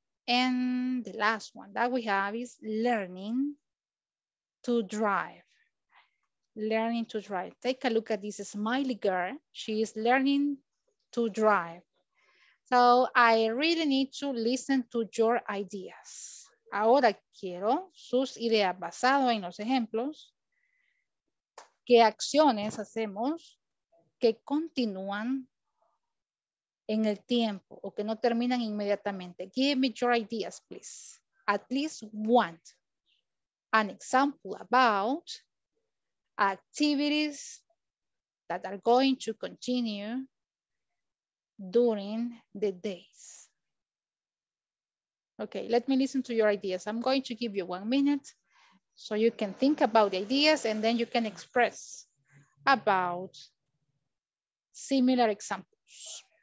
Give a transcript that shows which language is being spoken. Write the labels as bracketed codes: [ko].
[en] And the last one that we have is learning to drive. Learning to drive. Take a look at this smiley girl. She is learning to drive. So I really need to listen to your ideas. [es] Ahora quiero sus ideas basadas en los ejemplos. ¿Qué acciones hacemos que continúan en el tiempo o que no terminan inmediatamente? [en] Give me your ideas, please. At least one. An example about activities that are going to continue during the days. Okay, let me listen to your ideas. I'm going to give you 1 minute so you can think about the ideas, and then you can express about similar examples.